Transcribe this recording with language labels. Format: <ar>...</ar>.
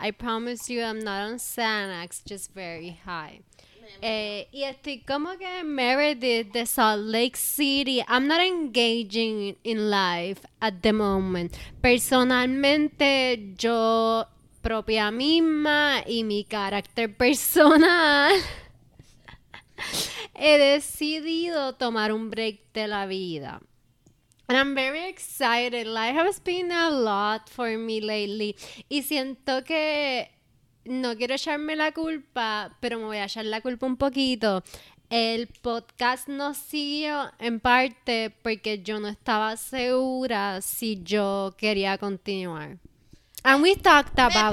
<en>I promise you I'm not on Xanax, just very high.</en> <es>Y estoy como que Meredith de Salt Lake City.</es> <en>I'm not engaging in life at the moment.</en> <es>Personalmente, yo propia misma y mi carácter personal... he decidido tomar un break de la vida.</es> <en>And I'm very excited. Life has been a lot for me lately.</en> <es>Y siento que no quiero echarme la culpa, pero me voy a echar la culpa un poquito. El podcast no siguió en parte porque yo no estaba segura si yo quería continuar.</es> <en>And we talked about</en>